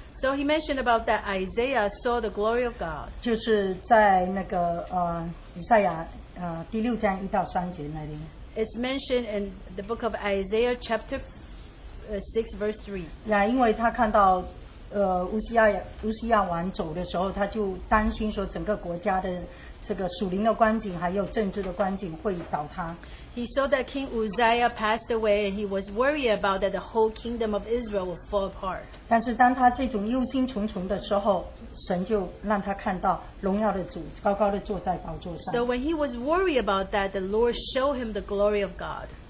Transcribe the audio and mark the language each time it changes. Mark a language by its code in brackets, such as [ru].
[en] So he mentioned about that Isaiah saw the glory of God. [zh] 就是在那个, 以赛亚, 第六章1到3节那里。 [en] It's mentioned in the book of Isaiah chapter 6 verse 3. [zh] Yeah, 因为他看到, 乌西亚王走的时候, 他就担心说整个国家的这个属灵的光景还有政治的光景会倒塌。 [en] He saw that King Uzziah passed away, and he was worried about that the whole kingdom of Israel would fall apart. [zh] 但是当他这种忧心忡忡的时候, 神就让他看到荣耀的主, 高高的坐在宝座上。 [en] So when he was worried about that, the Lord showed him the glory of God.